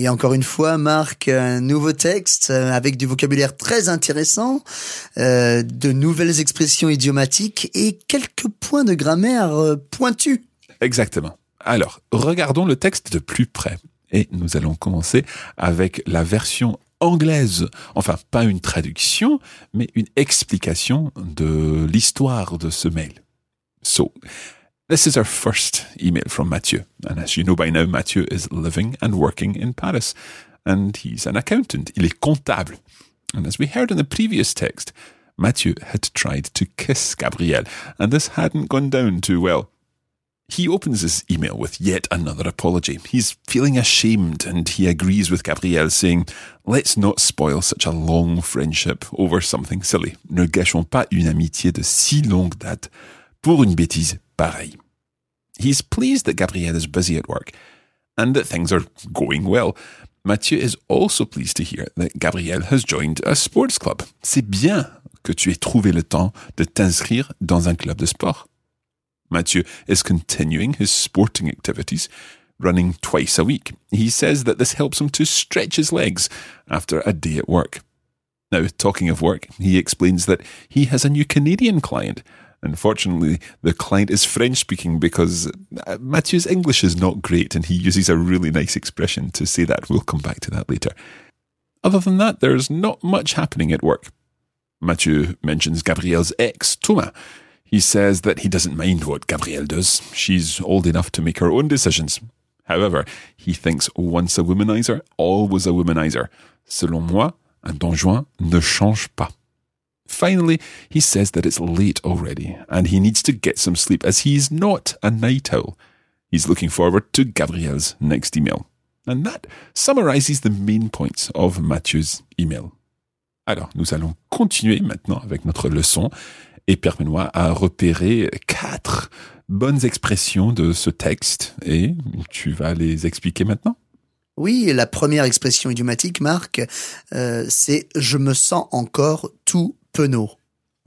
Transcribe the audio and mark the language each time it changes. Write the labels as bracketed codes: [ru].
[fr] Et encore une fois, Marc, un nouveau texte avec du vocabulaire très intéressant, de nouvelles expressions idiomatiques et quelques points de grammaire pointus. Exactement. Alors, regardons le texte de plus près. Et nous allons commencer avec la version anglaise. Enfin, pas une traduction, mais une explication de l'histoire de ce mail. [en] So, this is our first email from Mathieu. And as you know by now, Mathieu is living and working in Paris. And he's an accountant. [fr] Il est comptable. [en] And as we heard in the previous text, Mathieu had tried to kiss Gabrielle. And this hadn't gone down too well. He opens his email with yet another apology. He's feeling ashamed and he agrees with Gabrielle, saying, let's not spoil such a long friendship over something silly. [fr] Ne gâchons pas une amitié de si longue date pour une bêtise pareille. [en] He's pleased that Gabrielle is busy at work and that things are going well. Mathieu is also pleased to hear that Gabrielle has joined a sports club. [fr] C'est bien que tu aies trouvé le temps de t'inscrire dans un club de sport. [en] Mathieu is continuing his sporting activities, running twice a week. He says that this helps him to stretch his legs after a day at work. Now, talking of work, he explains that he has a new Canadian client. Unfortunately, the client is French-speaking because Mathieu's English is not great and he uses a really nice expression to say that. We'll come back to that later. Other than that, there's not much happening at work. Mathieu mentions Gabrielle's ex, Thomas. He says that he doesn't mind what Gabrielle does. She's old enough to make her own decisions. However, he thinks once a womanizer, always a womanizer. [fr] Selon moi, un Don Juan ne change pas. [en] Finally, he says that it's late already and he needs to get some sleep as he's not a night owl. He's looking forward to Gabrielle's next email. And that summarizes the main points of Mathieu's email. [fr] Alors, nous allons continuer maintenant avec notre leçon. Et permets-moi à repérer quatre bonnes expressions de ce texte. Et tu vas les expliquer maintenant? Oui, la première expression idiomatique, Marc, c'est « je me sens encore tout penaud ».